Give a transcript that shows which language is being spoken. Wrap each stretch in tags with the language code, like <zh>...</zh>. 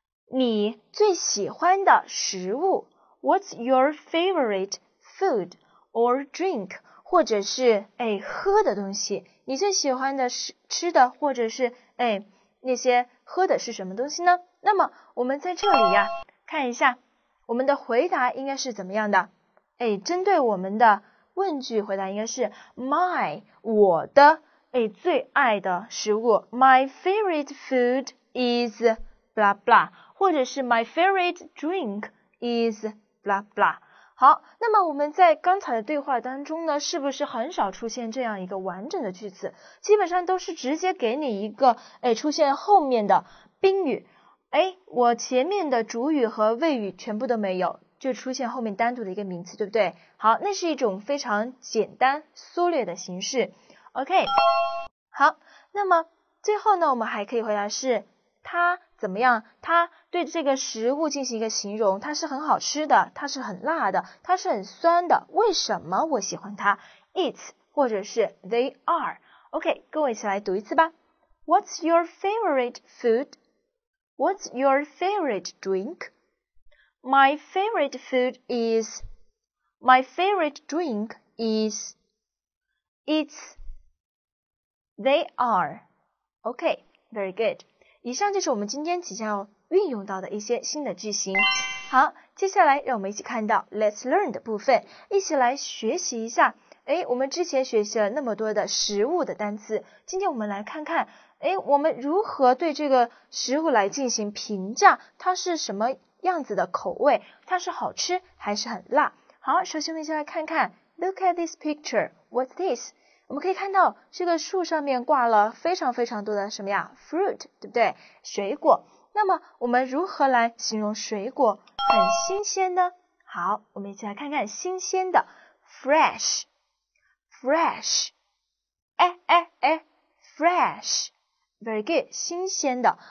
<zh>你最喜欢的食物，</zh> <en>What's your favorite food or drink？</en> <zh>或者是哎喝的东西，你最喜欢的是吃的或者是哎那些喝的是什么东西呢？那么我们在这里呀，看一下我们的回答应该是怎么样的。哎，针对我们的问句回答应该是 my 我的哎最爱的食物</zh> <en>my favorite food is blah blah，</en> <zh>或者是</zh> <en>my favorite drink is blah blah。</en> <zh>好，那么我们在刚才的对话当中呢，是不是很少出现这样一个完整的句子？基本上都是直接给你一个哎出现后面的宾语，哎，我前面的主语和谓语全部都没有，就出现后面单独的一个名词，对不对？好，那是一种非常简单缩略的形式。 OK， 好，那么最后呢，我们还可以回答是他怎么样？他对这个食物进行一个形容，它是很好吃的，它是很辣的，它是很酸的。为什么我喜欢它 ？It 或者是</zh> <en>They are。</en> <zh>OK， 跟我一起来读一次吧。</zh> <en>What's your favorite food？ What's your favorite drink？ My favorite food is, my favorite drink is, it's, they are. OK, very good.</en> <zh>以上就是我们今天即将要运用到的一些新的句型。好，接下来让我们一起看到 Let's Learn 的部分，一起来学习一下。哎，我们之前学习了那么多的食物的单词，今天我们来看看，哎，我们如何对这个食物来进行评价，它是什么样子的口味，它是好吃还是很辣。好，首先我们先来看看</zh> <en>Look at this picture, what's this?</en> <zh>我们可以看到这个树上面挂了非常非常多的什么呀 fruit, 对不对？水果。那么我们如何来形容水果很新鲜呢？好，我们一起来看看新鲜的 fresh, fresh, 哎哎哎 fresh,very good， 新鲜的。</zh>